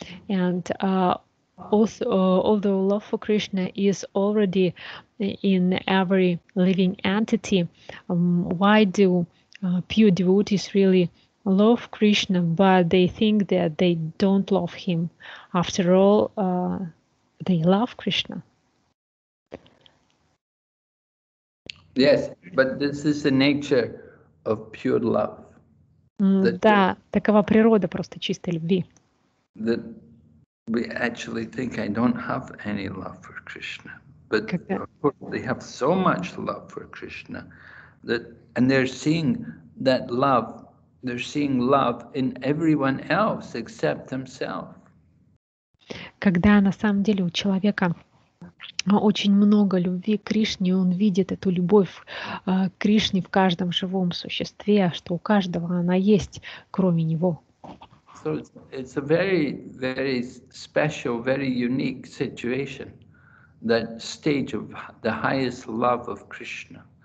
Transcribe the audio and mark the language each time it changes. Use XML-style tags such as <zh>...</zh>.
<en>And although love for Krishna is already in every living entity, why do pure devotees really love Krishna, but they think that they don't love him? After all, they love Krishna. Yes, but this is the nature of pure love.</en> <ru>Да, такова природа просто чистой любви.</ru> <en>That we actually think I don't have any love for Krishna, but of course they have so much love for Krishna that, and they're seeing that love, they're seeing love in everyone else except themselves.</en> <ru>Когда на самом деле у человека очень много любви к Кришне, он видит эту любовь к Кришне в каждом живом существе, что у каждого она есть, кроме него.</ru> <en>So it's a very, very special, very unique situation, that stage of the highest love of Krishna.</en>